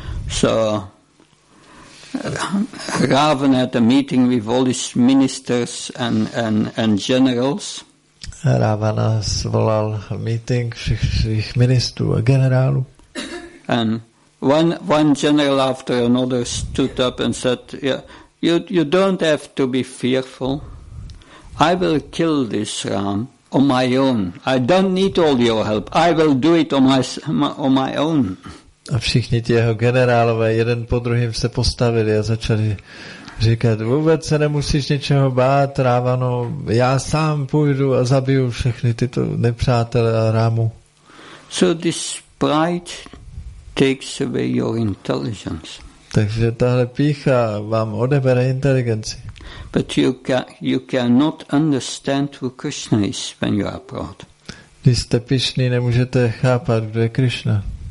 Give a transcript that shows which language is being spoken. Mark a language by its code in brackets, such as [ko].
[en] so Ravan had a meeting with all his ministers and generals. [cs] Ravana svolal meeting všech svých ministrů a generálů. [en] And one general after another stood up and said, yeah, you don't have to be fearful. I will kill this Ram on my own. I don't need all your help. I will do it on my own. [cs] A všichni ti jeho generálové jeden po druhém se postavili a začali říkat, vůbec se nemusíš ničeho bát, Ravano, já sám půjdu a zabiju všechny tyto nepřátelé a Rámu. [en] So this pride takes away your intelligence. [cs] Takže tahle pícha vám odebere inteligenci. [en] But you cannot understand who Krishna is when you are proud. [cs] Když jste pyšný, nemůžete chápat, kdo je Krishna.